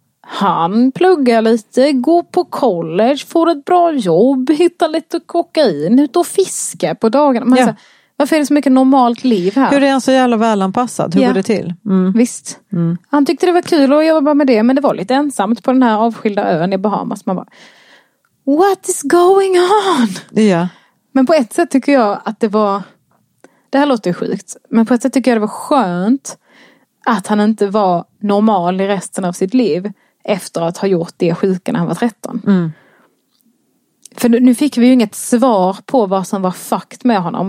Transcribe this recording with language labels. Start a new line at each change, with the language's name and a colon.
Swedish: Han pluggar lite, går på college, får ett bra jobb, hittar lite kokain, ut och fiska på dagarna. Man säger, varför är det så mycket normalt liv här? Hur är han så jävla välanpassad? Hur går det till? Mm. Visst. Mm. Han tyckte det var kul att jobba med det, men det var lite ensamt på den här avskilda ön i Bahamas. Man bara,
English: what is going on? Yeah.
Swedish: Men på ett sätt tycker jag att det var, det här låter ju sjukt, men på ett sätt tycker jag det var skönt att han inte var normal i resten av sitt liv efter att ha gjort det sjuka när han var 13. Mm. För nu fick vi ju inget svar på vad som var fucked med honom.